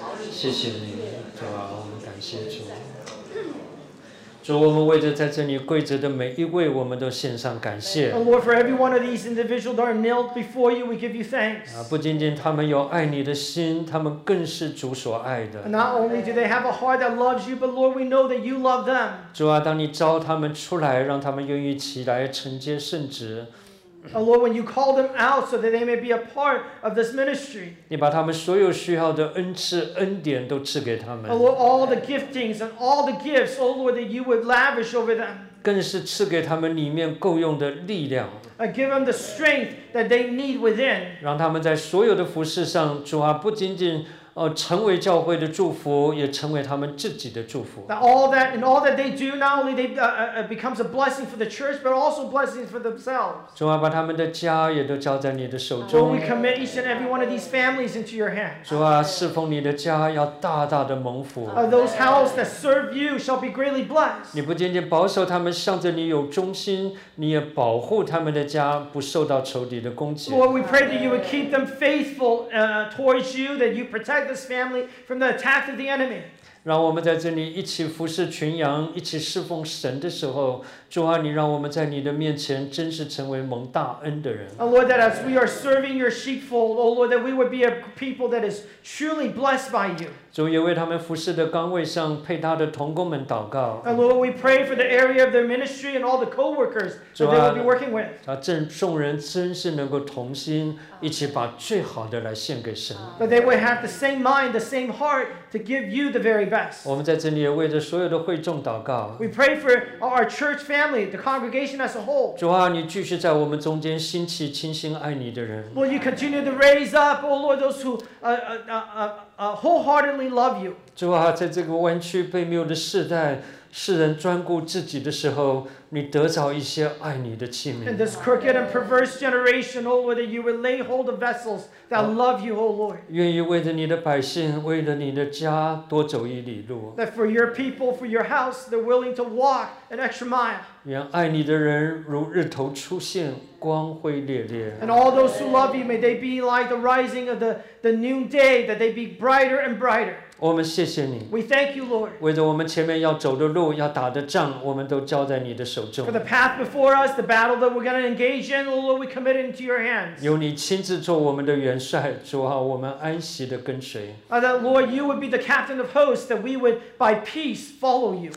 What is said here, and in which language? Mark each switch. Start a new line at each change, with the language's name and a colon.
Chinese: 谢谢你，主啊，我们感谢主。主，我们为着在这里跪着的每一位，我们都献上感谢。
English: Lord, for every one of these individuals that are knelt before you, we give you thanks.
Chinese: 不仅仅他们有爱你的心，他们更是主所爱的。
English: Not only do they have a heart that loves you, but Lord, we know that you love them.
Chinese: 主啊，当你召他们出来，让他们愿意起来承接圣职。
English: Lord, when you call them out so that they may be a part of this ministry,
Chinese: 你把他们所有需要的恩赐恩典都赐给他们。
English: Lord, all the giftings and all the gifts, oh Lord, that you would lavish over them.
Chinese: 更是赐给他们里面够用的力量。
English: Give them the strength that they need within.
Chinese: 让他们在所有的服事上，主啊，不仅仅成为教会的祝福，也成为他们自己的祝福。
English: All that they do, not only they becomes a blessing for the church, but also blessing for themselves.
Chinese: 主啊，把他们的家也都交在你的手中。
English: Lord, we commit each and every one of these families into your hands.
Chinese: 主啊，侍奉你的家要大大的蒙福。
English: Those houses that serve you shall be greatly blessed.
Chinese: 你不仅仅保守他们向着你有忠心，你也保护他们的家不受到仇敌的攻击。
English: Lord, we pray that you would keep them faithful towards you, that you protect this family from the attack of the enemy.
Chinese: 让我们在这里一起服侍群羊，一起侍奉神的时候，主啊，你让我们在你的面前真是成为蒙大恩的人。
English: Oh Lord, that as we are serving your sheepfold, oh Lord, that we would be a people that is truly blessed by you.
Chinese: 主也为他们服侍的岗位上配搭的同工们祷告。
English: And Lord, we pray for the area of their ministry and all the co-workers that they will be working with.
Chinese: 主啊，正众人真是能够同心，一起把最好的来献给神。
English: But they would have the same mind, the same heart to give you the very best.
Chinese: 我们在这里也为着所有的会众祷告。
English: We pray for our church family, the congregation as a whole.
Chinese: 主啊，你继续在我们中间兴起倾心爱你的人。
English: Will you continue to raise up, oh Lord, those who wholeheartedly love you?
Chinese: 主啊，在这个弯曲背谬的世代，世人专顾自己的时候，你得着一些爱你的器皿。
English: In this crooked and perverse generation, oh Lord, you will lay hold of vessels that love you, oh Lord.
Chinese: 愿意为着你的百姓，为了你的家多走一里路。
English: That for your people, for your house, they're willing to walk an extra mile.
Chinese: 愿爱你的人如日头出现，光辉烈烈。
English: And all those who love you, may they be like the rising of the noonday, that they be brighter and brighter.
Chinese: 我们谢谢你。
English: We thank you, Lord.
Chinese: 为着我们前面要走的路，要打的仗，我们都交在你的。
English: For the path before us, the battle that we're going to engage in, Lord, we commit it into your hands.
Chinese: 由你亲自做我们的元帅，主啊，我们安息地跟随。
English: That Lord, you would be the captain of hosts, that we would by peace follow you.